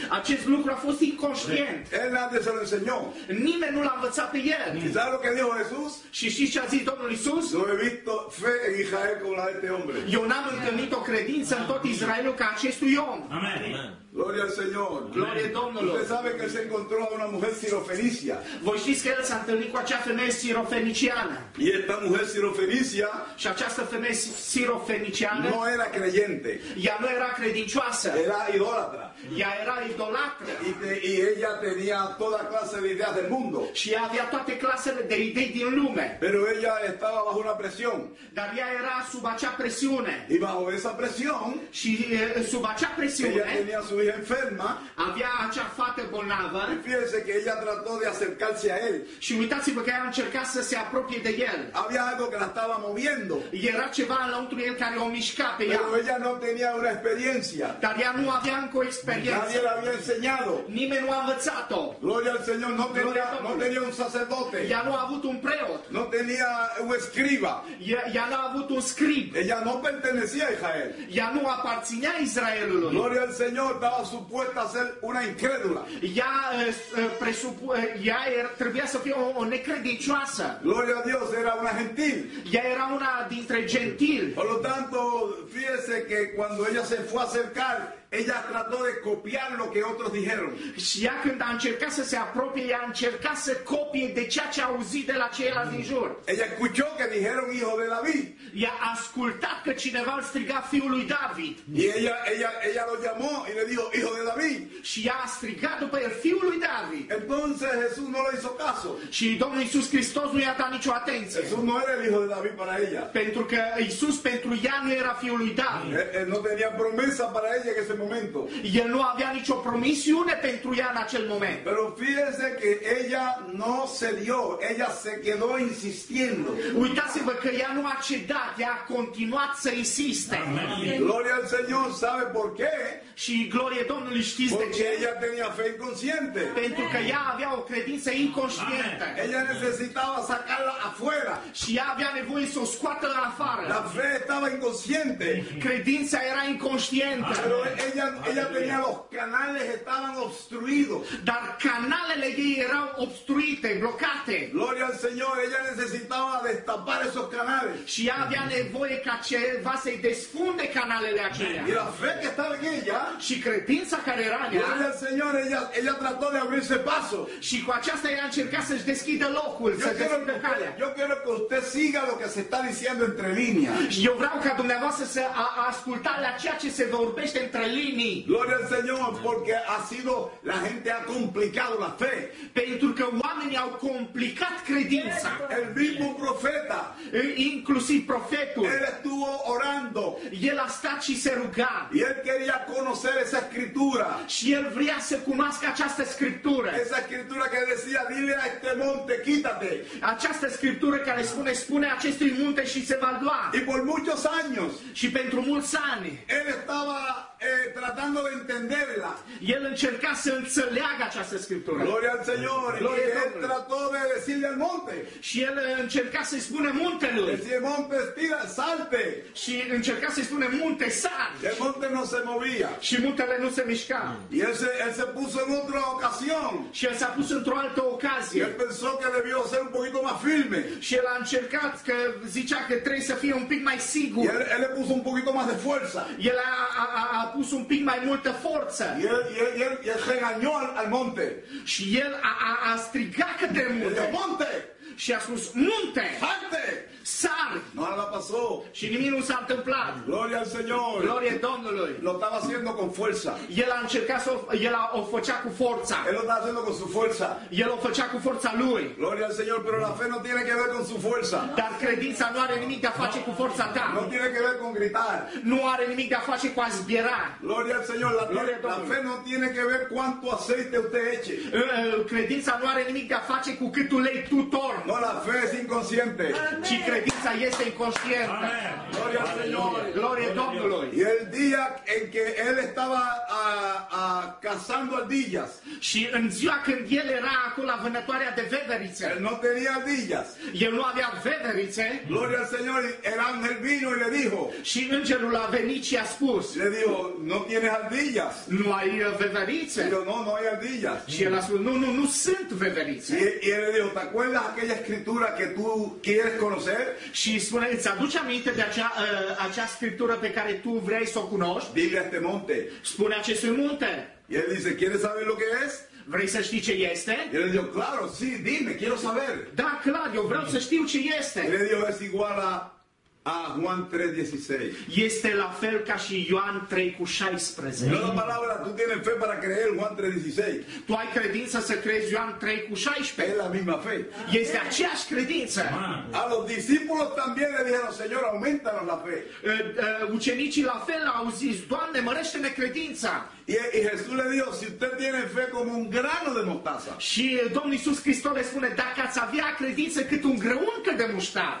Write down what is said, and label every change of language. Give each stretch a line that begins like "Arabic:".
Romanian: Acest lucru a fost inconștient.
Spanish: Él nadie se lo enseñó.
Romanian: Nimeni nu l-a învățat pe el.
Spanish: ¿Sabes lo que dijo Jesús?
Romanian: Și știți ce a zis Domnul Iisus?
Spanish: No he visto fe en Israel como la de este hombre.
Romanian: Eu n-am întâlnit o credință în tot Israelul ca acestui om. Amen. Amen.
Spanish: Gloria al Señor.
Romanian: Gloria Domnului.
Spanish: Usted sabe que se encontró a una mujer sirofenicia.
Romanian: Voi știți că el s-a întâlnit cu acea femeie sirofeniciană.
Spanish: Y esta mujer sirofenicia.
Romanian: Și această femeie sirofeniciană.
Spanish: No era creyente.
Romanian: Ea nu era credincioasă.
Spanish: Era idólatra.
Romanian: Ea era idolatră.
Spanish: Y ella tenía toda clase de ideas del mundo.
Romanian: Și ea avea toate clasele de idei din lume.
Spanish: Pero ella estaba bajo una presión.
Romanian: Dar ea era sub acea presiune.
Spanish: Y bajo esa presión.
Romanian: Și sub acea presiune.
Spanish: Ella tenía su hija enferma, había già fatto bonava, y fíjense que ella trató de acercarse a él.
Romanian: Și uitați pe care încercase a propie de el.
Spanish: Había algo que la estaba moviendo. Y era
Romanian: ceva înăuntru el care o mișca pe ea.
Spanish: Pero ella no tenía una experiencia.
Romanian: Dar ea nu avea încă o experiență.
Spanish: Nadie le había enseñado.
Romanian: Nimeni nu a învățat-o.
Spanish: Gloria al Señor, no tenía, no tenía un sacerdote.
Romanian: Ea nu a avut un preot.
Spanish: No tenía un escriba.
Romanian: Ea nu a avut un scrib.
Spanish: Ella no pertenecía a Israel.
Romanian: Ea nu aparținea Israelului.
Spanish: Gloria al Señor, estaba supuesta a ser una incrédula.
Romanian: Ea trebuia să fie o necredincioasă.
Spanish: Gloria a Dios, era una gentil. Ya era una
Romanian: dintre gentil.
Spanish: Por lo tanto, fíjese que cuando ella se fue a acercar, ella trató de copiar lo que otros dijeron.
Romanian: Și ea când a încercat să se apropie, ea a încercat să copie de ceea ce a auzit de la ceilalți din jur.
Spanish: Ella escuchó que dijeron hijo de David.
Romanian: Ea a ascultat că cineva îl striga fiul lui David.
Spanish: Y ella lo llamó y le dijo hijo de David.
Romanian: Și ea a strigat după el fiul lui David.
Spanish: Entonces Jesús no le hizo caso.
Romanian: Și Domnul Iisus Hristos nu i-a dat nicio atenție.
Spanish: Jesús no era el hijo de David para ella.
Romanian: Pentru că Iisus pentru ea nu era fiul lui David.
Spanish: No tenía promesa para ella que momento. Y él no había dicho promisiones
Romanian: pentru ea
Spanish: en
Romanian: acel momento.
Spanish: Pero fíjese que ella no cedió, ella se quedó insistiendo.
Romanian: Uitați-vă că ea nu a cedat, ea a continuat să insiste.
Spanish: Gloria al Señor, ¿sabe por qué?
Romanian: Și gloria Domnului, știți
Spanish: porque
Romanian: de ce?
Spanish: Porque ella tenía fe inconsciente.
Romanian: Pentru că ea avea o credință inconștientă.
Spanish: Ella necesitaba sacarla afuera.
Romanian: Și ea avea nevoie să o scoată afară.
Spanish: La fe estaba inconsciente.
Romanian: Credința era inconștientă.
Spanish: Ella tenía los canales estaban obstruidos.
Romanian: Dar canalele ei erau obstruite, blocate.
Spanish: Gloria al Señor, ella necesitaba destapar esos canales.
Romanian: Și ea avea nevoie ca ceva să-i desfunde canalele acelea.
Spanish: Y la fe que estaba en ella.
Romanian: Și credința care era în ea.
Spanish: Gloria al Señor, ella trató de abrirse paso.
Romanian: Și cu aceasta ea a încercat să-și deschidă locul, să deschidă calea.
Spanish: Yo quiero que usted siga lo que se está diciendo entre líneas.
Romanian: Eu vreau ca dumneavoastră să ascultați la ceea ce se vorbește entre linii.
Spanish: Gloria al Señor, porque ha sido, la gente ha complicado la fe.
Romanian: Pentru că oamenii au complicat credința.
Spanish: El mismo profeta.
Romanian: Inclusiv profetul.
Spanish: El estuvo orando.
Romanian: El a stat și se ruga.
Spanish: Y él quería conocer esa escritura.
Romanian: Și el vrea să cunoască această scriptură.
Spanish: Esa escritura que decía, dile a este monte, quítate.
Romanian: Această scriptură care spune acestui munte și se va lua.
Spanish: Y por muchos años.
Romanian: Și pentru mulți ani.
Spanish: Él estaba tratando de entenderla.
Romanian: Y él încerca să înțeleagă această scriptură.
Spanish: Gloria al Señor.
Romanian: Gloria
Spanish: y él trató de decirle al monte.
Romanian: Și el încerca să-i spune muntelui.
Spanish: Decía, monte, estira, salte.
Romanian: Și încerca să-i spune munte, sal.
Spanish: El monte no se movía.
Romanian: Și muntele nu se mișca.
Spanish: Y él se puso en otra ocasión.
Romanian: Și el s-a pus într-o altă ocazie.
Spanish: Y él pensó que debió ser un poquito más firme.
Romanian: Și el a încercat că zicea că trebuie să fie un pic mai sigur.
Spanish: Y él le puso un poquito más de fuerza.
Romanian: Y él a pus un pic mai multă forță.
Spanish: El se regañó al monte.
Romanian: Și el a strigat către munte.
Spanish: Monte!
Romanian: Și a spus, munte!
Spanish: Salte!
Romanian: Sar!
Spanish: No, la pasó.
Romanian: Și nimic nu s-a întâmplat.
Spanish: Gloria al Señor.
Romanian: Gloria Domnului.
Spanish: Lo estaba haciendo con fuerza.
Romanian: El a încercat o făcea cu forța.
Spanish: Él lo estaba haciendo con su fuerza.
Romanian: El o făcea cu forța lui.
Spanish: Gloria al Señor, pero la fe no tiene que ver con su fuerza.
Romanian: Dar credința nu are nimic de a face cu forța ta.
Spanish: No tiene que ver con gritar.
Romanian: Nu are nimic de a face cu a zbiera.
Spanish: Gloria al Señor, la fe no tiene que ver cuánto aceite usted eche.
Romanian: Credința nu are nimic de a face cu cât ulei tu torni.
Spanish: No, la fe es inconsciente.
Romanian: Ci credința este inconștientă. Amen.
Spanish: Gloria al Señor.
Romanian: Gloria Domnului.
Spanish: Y el día en que él estaba cazando ardillas.
Romanian: Și în ziua când el era acolo la vânătoarea de veverițe.
Spanish: Él no tenía ardillas.
Romanian: El nu avea veverițe.
Spanish: Gloria al Señor, el ángel vino y le dijo.
Romanian: Și îngerul a venit și a spus.
Spanish: Le dijo, no tienes ardillas.
Romanian: Nu ai veverițe.
Spanish: Yo, no hay ardillas.
Romanian: Și el a spus, nu sunt veverițe.
Spanish: Y él le dijo, ¿te acuerdas aquella escritura que tú quieres conocer?
Romanian: Și spune, îți aduci aminte de acea scriptură pe care tu vrei să o cunoști?
Spanish: Dile a este monte.
Romanian: Spune acestui munte.
Spanish: Y él dice, ¿quieres saber lo que es?
Romanian: Vrei să știi ce este?
Spanish: Y él dice, claro, sí, dime, quiero saber.
Romanian: Da, clar, eu vreau să știu ce este.
Spanish: Y le digo, es igual a A Juan 3:16.
Romanian: Y este la fel ca și Ioan 3:16.
Spanish: No la palabra, tú tienes fe para creer Juan 3:16.
Romanian: Tu ai credință să crezi Ioan 3:16.
Spanish: Es la misma fe.
Romanian: Y este aceeași credință.
Spanish: A los discípulos también le dijeron, Señor, aumentanos la fe.
Romanian: Ucenicii la fel au zis, Doamne, mărește-ne credința.
Spanish: Y Jesús le dijo, si usted tiene fe como un grano de mostaza.
Romanian: Și Domnul Iisus Hristos le spune, dacă ați avea credință cât un grăuncă de muștar.